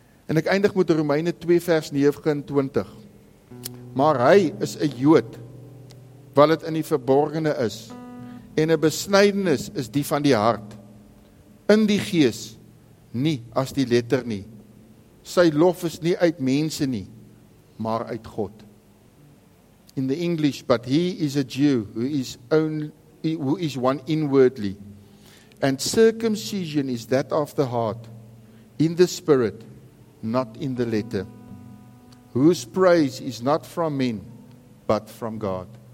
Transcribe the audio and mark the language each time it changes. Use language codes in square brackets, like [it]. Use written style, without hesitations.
[af] En ek eindig met Romeine 2 vers 29. Maar hy is 'n Jood wat dit in die verborgene is en 'n besnydenis is die van die hart. In die gees, nie as die letter nie. Sy lof is nie uit mense nie, maar uit God. [en] In the English, but he is a Jew who is one inwardly. And circumcision is that of the heart, in the spirit, not in the letter. Whose praise is not from men, but from God.